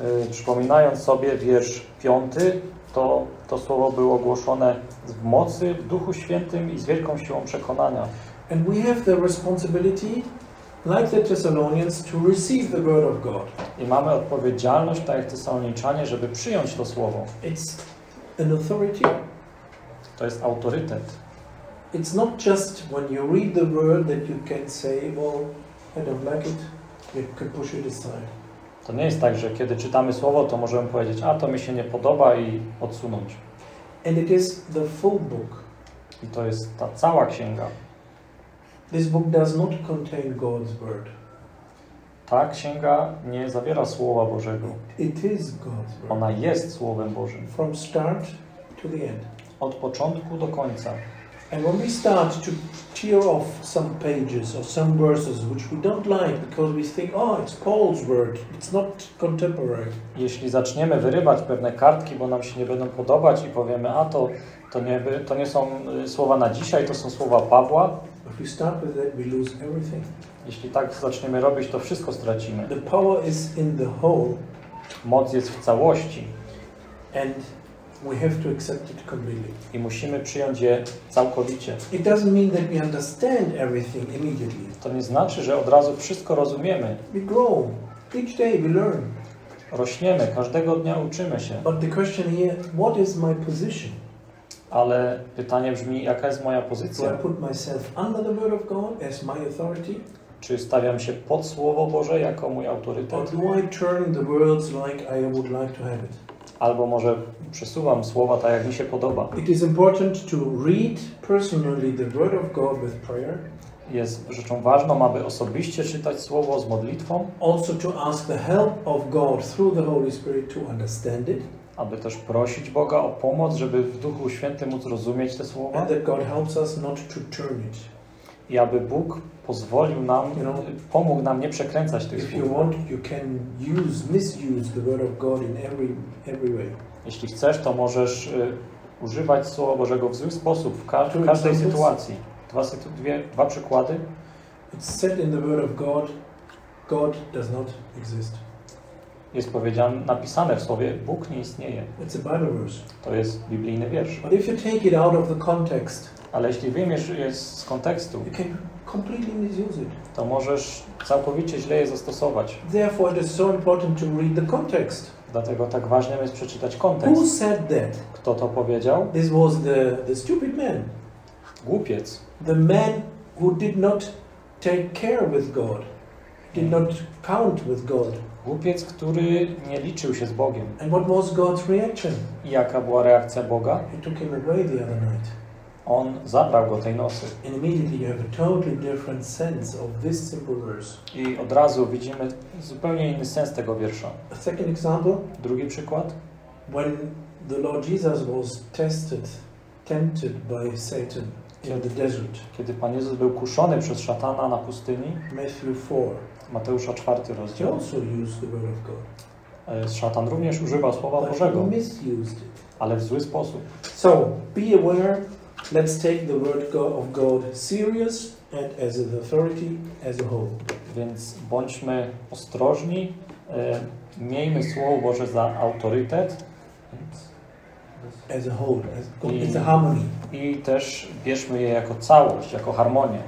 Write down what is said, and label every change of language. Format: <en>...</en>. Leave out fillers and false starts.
<pl>Przypominając sobie wiersz 5, to słowo było głoszone w mocy, w Duchu Świętym i z wielką siłą przekonania.</pl> <en>And we have the responsibility, like the Thessalonians, to receive the word of God.</en> <pl>I mamy odpowiedzialność, tak jak Tesaloniczanie, żeby przyjąć to słowo.</pl> <en>It's an authority.</en> <pl>To jest autorytet.</pl> <en>It's not just when you read the word that you can say, well, I don't like it, you can push it aside.</en> <pl>To nie jest tak, że kiedy czytamy słowo, to możemy powiedzieć, a to mi się nie podoba i odsunąć.</pl> <en>And it is the full book.</en> <pl>I to jest ta cała księga.</pl> <en>This book does not contain God's word.</en> <pl>Ta księga nie zawiera słowa Bożego.</pl> <en>It is God's word.</en> <pl>Ona jest słowem Bożym.</pl> <en>From start to the end.</en> <pl>Od początku do końca.</pl> <en>And when we start to tear off some pages or some verses which we don't like because we think, oh, it's Paul's word, it's not contemporary.</en> <pl>Jeśli zaczniemy wyrywać pewne kartki, bo nam się nie będą podobać i powiemy, a to nie są słowa na dzisiaj, to są słowa Pawła.</pl> <en>If we start with that, we lose everything.</en> <pl>Jeśli tak zaczniemy robić, to wszystko stracimy.</pl> <en>The power is in the whole.</en> <pl>Moc jest w całości.</pl> <en>And we have to accept it completely.</en> <pl>I musimy przyjąć je całkowicie.</pl> <en>It doesn't mean that we understand everything immediately.</en> <pl>To nie znaczy, że od razu wszystko rozumiemy.</pl> <en>We grow. Each day we learn.</en> <pl>Rośniemy, każdego dnia uczymy się.</pl> <en>But the question here, what is my position?</en> <pl>Ale pytanie brzmi, jaka jest moja pozycja?</pl> <en>Do I put myself under the word of God as my authority?</en> <pl>Czy stawiam się pod Słowo Boże jako mój autorytet?</pl> <en>Or do I turn the words like I would like to have it?</en> <pl>Albo może przesuwam słowa tak, jak mi się podoba.</pl> <en>It is important to read personally the word of God with prayer.</en> <pl>Jest rzeczą ważną, aby osobiście czytać słowo z modlitwą.</pl> <en>Also to ask the help of God through the Holy Spirit to understand it.</en> <pl>Aby też prosić Boga o pomoc, żeby w Duchu Świętym móc rozumieć te słowa.</pl> <en>And that God helps us not to turn it.</en> <pl>I aby Bóg pozwolił nam,</pl> <en>you know,</en> <pl>pomógł nam nie przekręcać tych słów.</pl> <en>If you want, you can use, misuse the word of God in every way.</en> <pl>Jeśli chcesz, to możesz używać Słowa Bożego w zły sposób, w każdej sytuacji. Dwa przykłady.</pl> <en>It's said in the word of God, God does not exist.</en> <pl>Jest powiedziane, napisane w słowie, Bóg nie istnieje.</pl> <en>It's a Bible verse.</en> <pl>To jest biblijny wiersz.</pl> <en>But if you take it out of the context,</en> <pl>ale jeśli wyjmiesz je z kontekstu,</pl> <en>you can completely misuse it.</en> <pl>To możesz całkowicie źle je zastosować.</pl> <en>Therefore, it is so important to read the context.</en> <pl>Dlatego tak ważnym jest przeczytać kontekst.</pl> <en>Who said that?</en> <pl>Kto to powiedział?</pl> <en>This was the stupid man.</en> <pl>Głupiec.</pl> <en>The man who did not take care with God, did not count with God.</en> <pl>Głupiec, który nie liczył się z Bogiem.</pl> <en>And what was God's reaction?</en> <pl>I jaka była reakcja Boga?</pl> <en>He took him away the other night.</en> <pl>On zabrał go tej nocy.</pl> <en>And immediately you have a totally different sense of this simple verse.</en> <pl>I od razu widzimy zupełnie inny sens tego wiersza.</pl> <en>A second example.</en> <pl>Drugi przykład.</pl> <en>When the Lord Jesus was tempted by Satan in the desert.</en> <pl>Kiedy Pan Jezus był kuszony przez szatana na pustyni.</pl> <en>Matthew 4.</en> <pl>Mateusza 4 rozdział.</pl> <en>He also used the word of God.</en> <pl>Szatan również używał Słowa</pl> <en>But</en> <pl>Bożego.</pl> <en>He misused it.</en> <pl>Ale w zły sposób.</pl> <en>So, be aware. Let's take the word of God serious and as an authority as a whole.</en> <pl>Więc bądźmy ostrożni, miejmy Słowo Boże za autorytet.</pl> <en>As a whole, as God, it's a harmony.</en> <pl>I też bierzmy je jako całość, jako harmonię.</pl>